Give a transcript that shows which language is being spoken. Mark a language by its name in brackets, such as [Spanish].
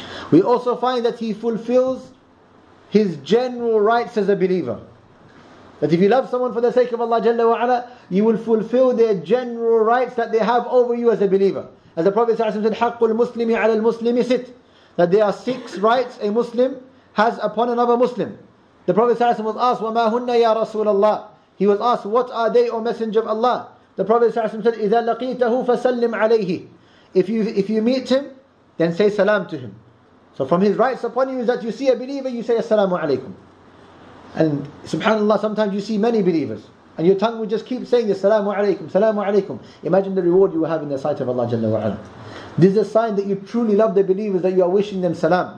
[English] We also find that he fulfills his general rights as a believer. That if you love someone for the sake of Allah jalla wa ala, you will fulfill their general rights that they have over you as a believer. As the Prophet said, [Arabic] حَقُّ الْمُسْلِمِ عَلَى الْمُسْلِمِ [English] sit. That there are six rights a Muslim has upon another Muslim. The Prophet ﷺ was asked, [Arabic] وَمَا هُنَّ يَا رَسُولَ اللَّهِ. [English] He was asked, what are they, O Messenger of Allah? The Prophet ﷺ said, [Arabic] إِذَا لَقِيْتَهُ فَسَلِّمْ عَلَيْهِ. [English] If you meet him, then say salam to him. So from his rights upon you is that you see a believer, you say assalamu alaikum. And subhanAllah, sometimes you see many believers, and your tongue will just keep saying assalamu alaikum, salamu alaikum. Imagine the reward you will have in the sight of Allah jalla wa ala. This is a sign that you truly love the believers, that you are wishing them salam.